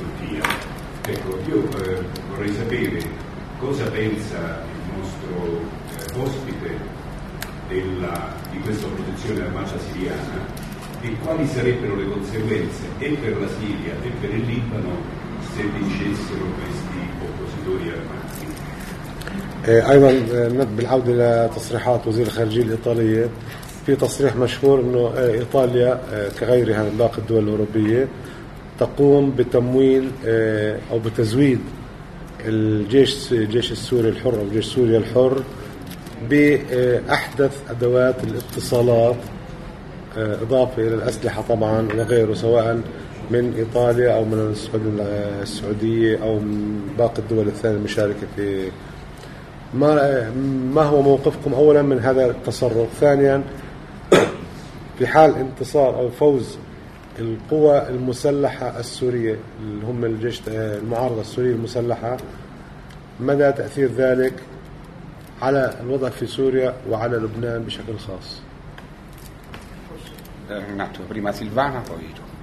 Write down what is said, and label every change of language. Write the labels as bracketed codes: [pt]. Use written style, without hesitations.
[it] Ecco, io vorrei sapere cosa pensa il nostro ospite della, di questa posizione armata siriana e quali sarebbero le conseguenze e per la Siria e per il Libano se vincessero questi oppositori armati. [ar] أيضا نبدأ بالعودة إلى تصريحات وزير الخارجية الإيطالية في تصريح مشهور أنه إيطاليا كغيرها من باقي الدول الأوروبية تقوم بتمويل أو بتزويد الجيش السوري الحر أو جيش سوريا الحر بأحدث أدوات الاتصالات إضافة إلى الأسلحة طبعا وغيره سواء من إيطاليا أو من السعودية أو من باقي الدول الثانية المشاركة في ما هو موقفكم أولا من هذا التصرف ثانيا في حال انتصار أو فوز القوى المسلحة السورية اللي هم الجيش المعارضة السورية المسلحة مدى تأثير ذلك على الوضع في سوريا وعلى لبنان بشكل خاص [it] رناتو prima Silvana poi tu